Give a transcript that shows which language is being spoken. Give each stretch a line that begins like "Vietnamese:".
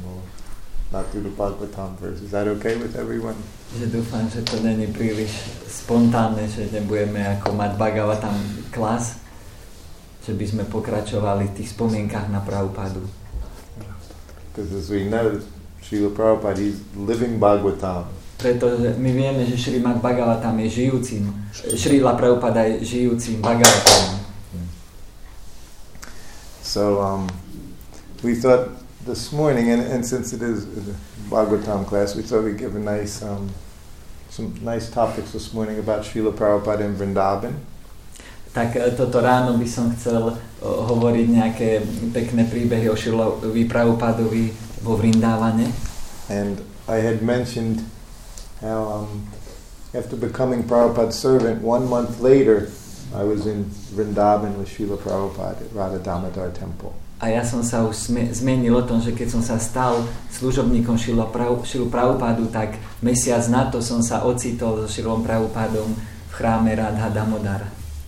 English: We'll not do the Bhagavatam verse. Is that okay with everyone?
Czech: Že doufám, že to není příliš spontánné,
Slovak: že nebudeme jako mať Bhagavatam klas, že by sme pokračovali v tých spomienkách na Prabhupádu.
English: Because as we know, Srila Prabhupada is living Bhagavatam.
Slovak: Pretože my vieme, že Srila Bhagavatam je žijúcim. Srila Prabhupada je žijúcim Bhagavatam.
English: So we thought this morning, and since it is Bhagavatam class, we thought we'd give a nice some nice topics this morning about Srila Prabhupada in Vrindavan.
Slovak: Tak toto ráno by som chcel hovoriť nejaké pekné príbehy o Srilovi Prabhupádovi vo Vrindávane.
English: And I had mentioned how after becoming Prabhupada's servant, 1 month later I was in Vrindavan with Srila Prabhupada at Radha Damodar Temple.
Slovak: A ja som sa už zmenil o tom, že keď som sa stal služobníkom Srila Prabhupádu, tak mesiac na to som sa ocitol so Srilom Prabhupádom v chráme Radha Damodar.